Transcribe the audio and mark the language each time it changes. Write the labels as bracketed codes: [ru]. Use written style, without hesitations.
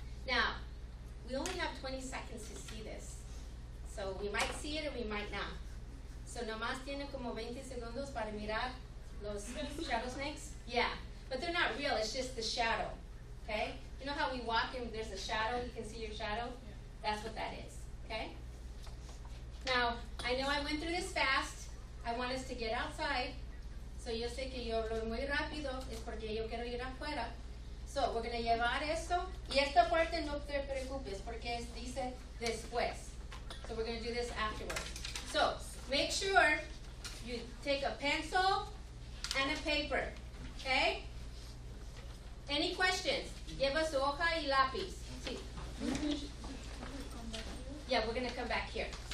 [en] Now, we only have 20 seconds to see this. So we might see it or we might not. [es] So nomás tiene como 20 segundos para mirar los [en] shadow snakes. Yeah. But they're not real. It's just the shadow. Okay? You know how we walk and there's a shadow? You can see your shadow? Yeah. That's what that is. Okay? Now, I know I went through this fast. I want us to get outside. [es] So yo sé que yo hablo muy rápido. Es porque yo quiero ir afuera. [en] So we're going to [es] llevar esto. Y esta parte no te preocupes porque dice después. [en] So we're going to do this afterwards. So make sure you take a pencil and a paper. Okay? Any questions? [es] Lleva su hoja y lápiz. [en] Sí. Yeah, we're going to come back here.